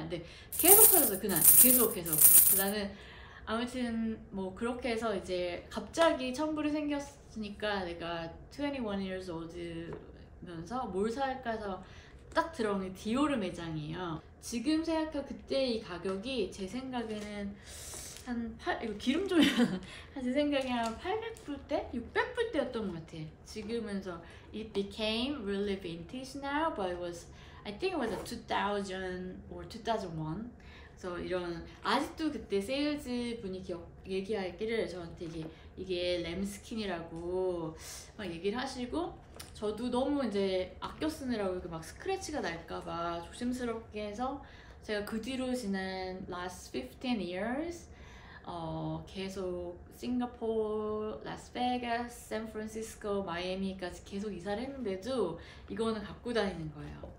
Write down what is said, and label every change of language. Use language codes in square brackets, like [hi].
[ko] 근데 계속 터졌어요 그날. 계속. 나는 아무튼 뭐 그렇게 해서 이제 갑자기 1000불이 생겼으니까 내가 [en] 21 years old [ko] 면서 뭘 살까 해서 딱 들어온 게 디오르 매장이에요. 지금 생각해 그때 이 가격이 제 생각에는 한 8, 이거 기름 좀 해야 제 생각에 한 800불 때? 600불 때였던 것 같아. 지금은서 [en] It became really vintage now, but it was I think it was a 2000 or 2001. [ko] 그래서 이런 아직도 그때 세일즈 분이 얘기하기를 저한테 이게 램스킨이라고 막 얘기를 하시고 저도 너무 이제 아껴 쓰느라고 이렇게 막 스크래치가 날까봐 조심스럽게 해서 제가 그 뒤로 지난 [en] last 15 years [ko] 계속 싱가포르, 라스베가스, 샌프란시스코, 마이애미까지 계속 이사를 했는데도 이거는 갖고 다니는 거예요.